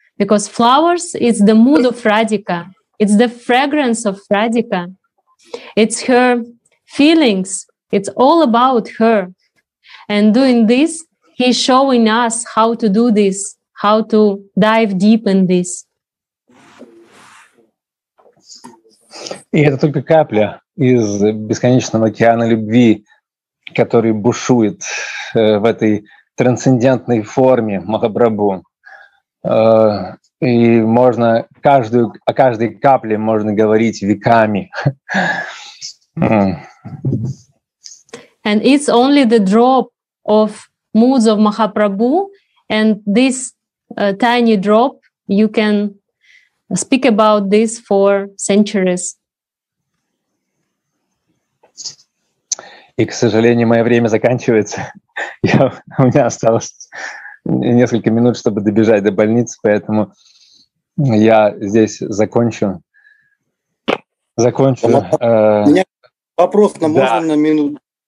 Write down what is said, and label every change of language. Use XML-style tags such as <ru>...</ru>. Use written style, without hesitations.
<en>Because flowers is the mood of Radhika. It's the fragrance of Radhika. It's her feelings. It's all about her. And doing this, he's showing us how to do this, how to dive deep in this.</en> <ru>И это только капля из бесконечного океана любви, который бушует в этой трансцендентной форме Махапрабху. И можно каждую, о каждой капле можно говорить веками.</ru> <en>And it's only the drop of moods of Mahaprabhu, and this tiny drop, you can speak about this for centuries.</en> <ru>И, к сожалению, мое время заканчивается. У меня осталось несколько минут, чтобы добежать до больницы, поэтому я здесь закончу. Закончу. У меня вопрос, но можно на минуту?</ru>